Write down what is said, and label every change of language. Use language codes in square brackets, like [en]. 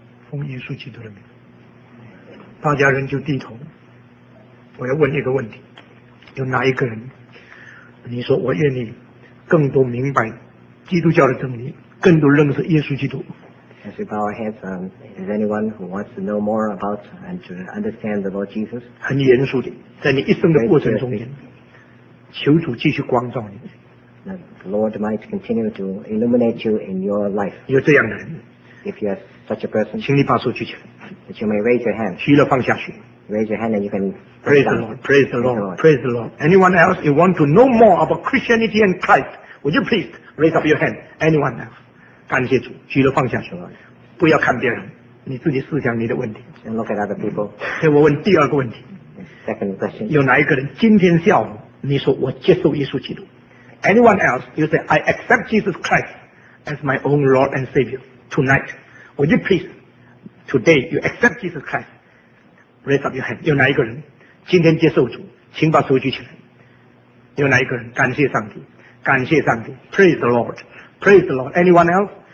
[zh] 奉耶稣基督的名。大家人就低头。我要问一个问题，有哪一个人你说我愿意更多明白基督教的真理，更多认识耶稣基督？ [en] As we bow our heads, is anyone who wants to know more about and to understand the Lord Jesus? [zh] 很严肃的，在你一生的过程中间，求主继续光照你。 [en] The Lord might continue to illuminate you in your life. [zh] 有这样的人， [en] if you are such a person, [zh] 请你把手举起来。 [en] That you may raise your hand. [zh] 举了放下去。 [en] Raise your hand and you can praise the Lord. Praise the Lord. Praise the Lord. Anyone else you want to know more about Christianity and Christ? Would you please raise up your hand? Anyone else? [zh] 感谢主，举了放下去了，不要看别人，你自己思想你的问题。 [en] And look at other people. [zh] 我问第二个问题。 [en] Second question. [zh] 有哪一个人今天下午你说我接受耶稣基督？ [en] Anyone else, you say, I accept Jesus Christ as my own Lord and Savior tonight. Would you please, today, you accept Jesus Christ? Raise up your hand. [zh] 有哪一个人今天接受主，请把手举起来。有哪一个人？感谢上帝，感谢上帝。 [en] Praise the Lord. Praise the Lord. Anyone else?